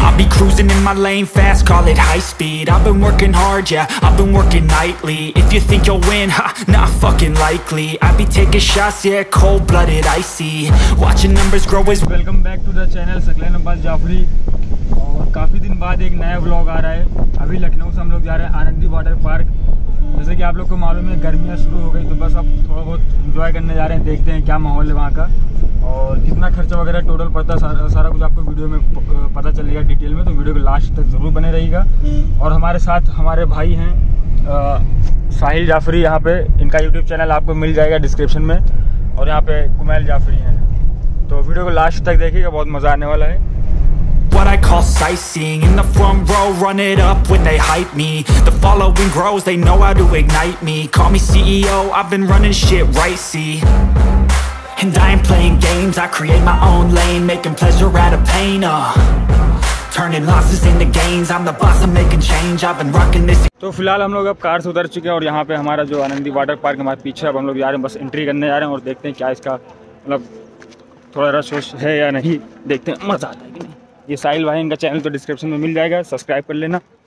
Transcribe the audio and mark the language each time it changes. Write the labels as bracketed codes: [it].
[en] Cruising in my lane fast, call it high speed. I've been working hard, yeah, I've been working nightly. If you think you'll win, ha, not fucking likely. I be taking shots, yeah, cold-blooded, icy. Watching numbers grow is... Welcome back to the channel, saklain, Abbas, jafri. [hi] और काफ़ी दिन बाद एक नया vlog आ रहा है। अभी लखनऊ से हम लोग जा रहे हैं आनंदी वाटर पार्क। जैसे कि आप लोग को मालूम है गर्मियाँ शुरू हो गई, तो बस अब थोड़ा बहुत एंजॉय करने जा रहे हैं। देखते हैं क्या माहौल है वहाँ का और कितना खर्चा वगैरह टोटल पड़ता है, सारा कुछ आपको वीडियो में पता चल जाएगा डिटेल में। तो वीडियो को लास्ट तक ज़रूर बने रहिएगा। और हमारे साथ हमारे भाई हैं साहिल जाफरी, यहाँ पर इनका यूट्यूब चैनल आपको मिल जाएगा डिस्क्रिप्शन में, और यहाँ पर कुमैल जाफरी हैं। तो वीडियो को लास्ट तक देखिएगा, बहुत मज़ा आने वाला है। [en] What I call sightseeing in the front row, run it up when they hype me. The following grows, they know how to ignite me. Call me CEO, I've been running shit right, see. And I ain't playing games, I create my own lane, making pleasure out of pain, Turning losses into gains, I'm the boss, I'm making change, I've been rocking this. [hi] तो फिलहाल हम लोग अब car से उतर चुके हैं और यहाँ पे हमारा जो आनंदी वाटर पार्क हमारे पीछे, अब हम लोग जा रहे हैं बस एंट्री करने जा रहे हैं और देखते हैं क्या इसका मतलब थोड़ा रश वश है या नहीं, देखते हैं मजा आता है कि नहीं। ये साहिल भाई, इनका चैनल तो डिस्क्रिप्शन में मिल जाएगा, सब्सक्राइब कर लेना।